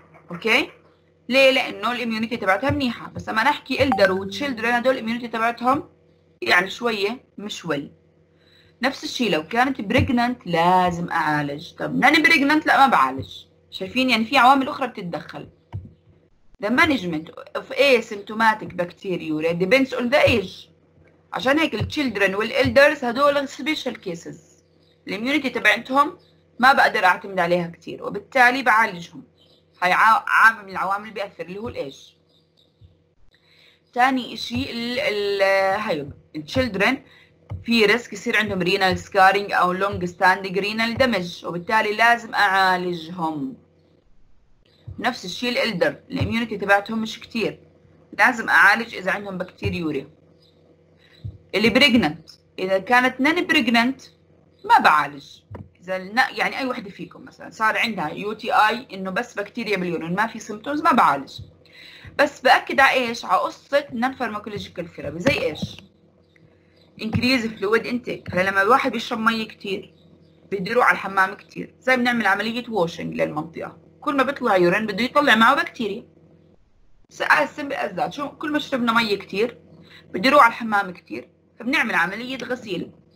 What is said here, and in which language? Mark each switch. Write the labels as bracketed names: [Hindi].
[Arabic] اوكي؟ ليه؟ لانه الاميونيتي تبعتها منيحه، بس اما نحكي إلدر وتشيلدرن هذول الاميونيتي تبعتهم يعني شويه مش ول. نفس الشيء لو كانت بريجننت لازم اعالج، طب ماني بريجننت لا ما بعالج. شايفين يعني في عوامل اخرى بتتدخل. [English] The management of asymptomatic bacteria depends on the age. [Arabic] عشان هيك الشيلدرن والالدرز هدول سبيشال كيسز. الاميونيتي تبعتهم ما بقدر اعتمد عليها كثير وبالتالي بعالجهم. هاي عامل من العوامل اللي بياثر اللي هو الايج. ثاني شيء هاي الشيلدرن في ريسك يصير عندهم رينال سكارينج او لونج ستاندينج رينال دمج وبالتالي لازم اعالجهم. نفس الشيء الالدر الاميونيتي تبعتهم مش كتير، لازم اعالج اذا عندهم بكتيريوريا. اللي بريجننت اذا كانت نان بريجننت ما بعالج. اذا يعني اي وحده فيكم مثلا صار عندها يو تي اي انه بس بكتيريا باليورين ما في سيمبتومز ما بعالج. بس باكد على ايش؟ على قصه نان فارماكولوجيكال ثيرابي. زي ايش؟ [English] increase fluid intake. [Arabic] هلا لما الواحد بيشرب مي كثير بده يروح على الحمام كثير، زي بنعمل عملية washing للمنطقة، كل ما بيطلع يورين بده يطلع معه بكتيريا. سأل [English] simple as that. [Arabic] شو كل ما شربنا مي كثير بده يروح على الحمام كثير، فبنعمل عملية غسيل.